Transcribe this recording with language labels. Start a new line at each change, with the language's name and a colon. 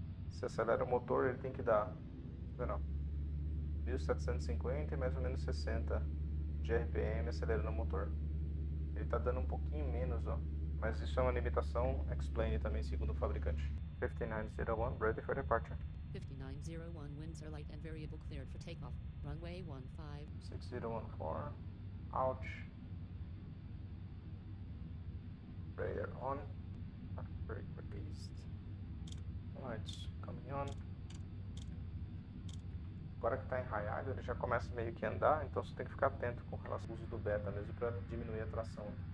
Portuguese: Se acelera o motor, ele tem que dar, não, 1750 e mais ou menos 60 de RPM acelerando o motor. Ele está dando um pouquinho menos, ó. Mas isso é uma limitação, explain também, segundo o fabricante.
English: 5901, ready for departure. 5901, winds are light and variable, cleared for takeoff. Runway 15. 6014, out. Radar on. Brake released. Lights coming on.
Portuguese: Agora que está enraiado, ele já começa meio que andar, então você tem que ficar atento com relação ao uso do beta mesmo para diminuir a tração.